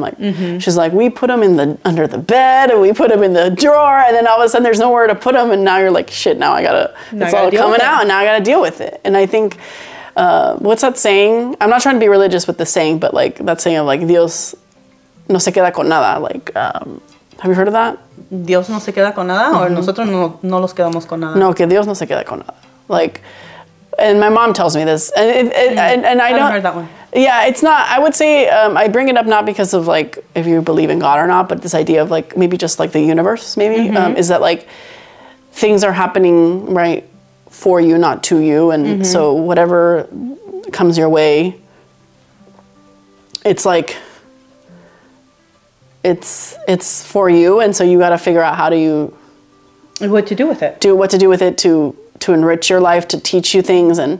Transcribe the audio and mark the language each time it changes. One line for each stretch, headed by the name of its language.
English: Like, she's like, we put them under the bed, and we put them in the drawer, and then all of a sudden there's nowhere to put them, and now you're like, shit, now I gotta deal with it. And I think, what's that saying? I'm not trying to be religious with the saying, but like that saying of like,
Spanish: Dios no se queda con nada.
English: Like, have you heard of that?
Spanish: Dios no se queda con nada, or nosotros no los quedamos con nada. No, que Dios no se queda con nada.
English: Like, and my mom tells me this, and I heard that one. Yeah, it's not, I would say, I bring it up not because of like, if you believe in God or not, but this idea of like, maybe just like the universe, maybe, is that like, things are happening, right, for you, not to you, and so whatever comes your way, it's like, it's for you, and so you got to figure out what to do with it to enrich your life, to teach you things.